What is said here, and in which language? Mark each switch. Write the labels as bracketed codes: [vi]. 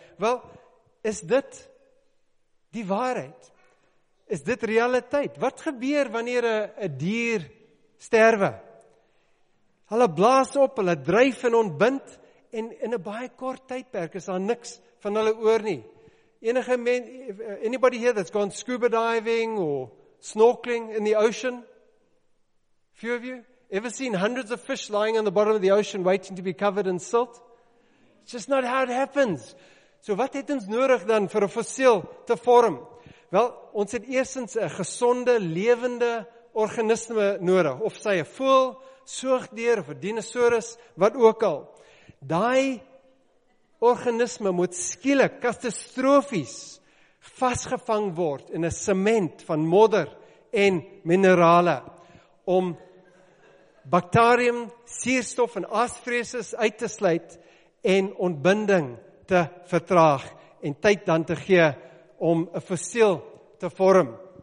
[af] Wel, is dit die waarheid? Is dit realiteit? Wat gebeur wanneer 'n dier sterwe? Hulle blaas op, hulle dryf en ontbind, en in 'n baie kort tydperk is daar niks van hulle oor nie. [en] Anybody here that's gone scuba diving or snorkeling in the ocean? Few of you? Ever seen hundreds of fish lying on the bottom of the ocean waiting to be covered in silt? It's just not how it happens. [af] So wat het ons nodig dan vir 'n fossiel te vorm? Wel, ons het eerstens 'n gesonde, lewende organisme nodig, of sy 'n voël, soogdier of 'n dinosaurus, wat ook al. Daai organisme moet skielik katastrofies vasgevang word in 'n sement van modder en minerale om bakterium, suurstof en aasvreeses uit te sluit en ontbinding te vertraag en tyd dan te gee om 'n fossiel te vorm.